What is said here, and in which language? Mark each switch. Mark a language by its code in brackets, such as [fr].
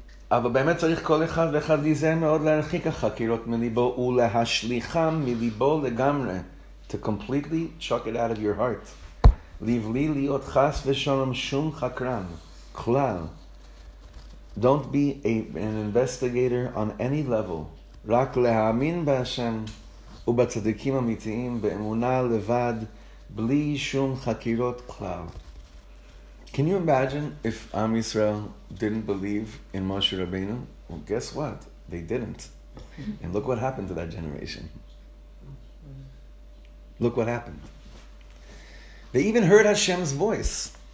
[he] אבל באמת צריך כל אחד ואחד להיזהר מאוד להרחיק החקירות מליבו ולהשליחם מליבו לגמרי. [en] To completely chuck it out of your heart. [he] לבלי להיות חס ושלום שום חקרן. כלל. [en] Don't be an investigator on any level. [he] רק להאמין בהשם ובצדיקים אמיתיים באמונה לבד בלי שום חקירות כלל. [en] Can you imagine if Am Yisrael didn't believe in Moshe Rabbeinu? Well, guess what? They didn't. And look what happened to that generation. Look what happened. They even heard Hashem's voice.